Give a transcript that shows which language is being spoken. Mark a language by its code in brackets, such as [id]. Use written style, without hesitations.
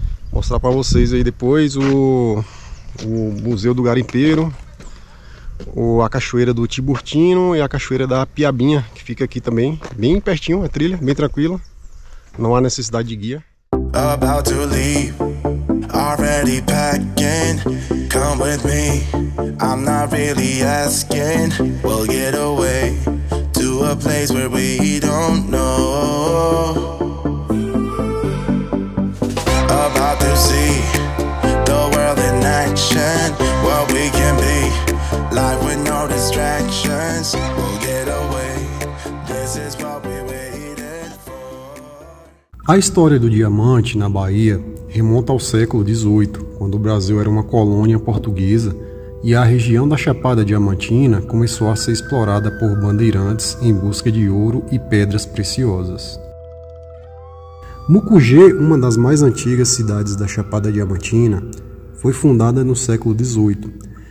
[pt] Vou mostrar para vocês aí depois o Museu do Garimpeiro, a Cachoeira do Tiburtino e a Cachoeira da Piabinha, que fica aqui também, bem pertinho, a trilha, bem tranquila. Não há necessidade de guia. [en] About to leave. Already packing, come with me. I'm not really asking. We'll get away to a place where we don't know. About to see the world in action. What we can be, life with no distractions. We'll get away. This is what we waited for. [pt] A história do diamante na Bahia remonta ao século XVIII, quando o Brasil era uma colônia portuguesa e a região da Chapada Diamantina começou a ser explorada por bandeirantes em busca de ouro e pedras preciosas. Mucugê, uma das mais antigas cidades da Chapada Diamantina, foi fundada no século XVIII.